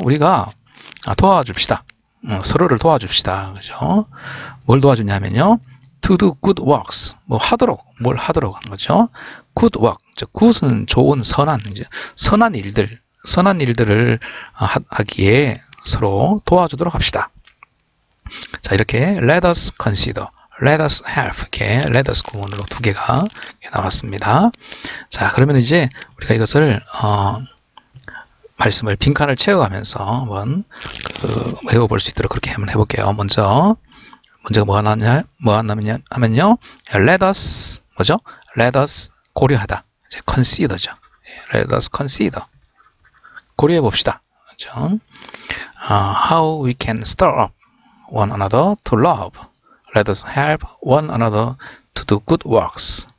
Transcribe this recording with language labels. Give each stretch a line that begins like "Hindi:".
Korean: 우리가 도와줍시다. 서로를 도와줍시다. 그죠? 뭘 도와주냐면요.
English: to do good works
Korean: 뭐 하도록 뭘 하도록 하는 거죠.
English: good work
Korean: 즉 good은 좋은 선한 이제 선한 일들을 하기에 서로 도와주도록 합시다. 자, 이렇게
English: let us consider, let us help
Korean: 이렇게 let us 구문으로 두 개가 나왔습니다. 자, 그러면 이제 우리가 이것을 말씀을 빈칸을 채워가면서 한번 외워볼 수 있도록 그렇게 한번 해볼게요. 먼저 문제가 뭐가 나왔냐 뭐가 나왔냐 하면요,
English: let us
Korean: 뭐죠?
English: let us
Korean: 고려하다, 이제 consider죠.
English: let us consider
Korean: 고려해 봅시다. 그렇죠?
English: how we can stir up one another to love. Let us help one another to do good works.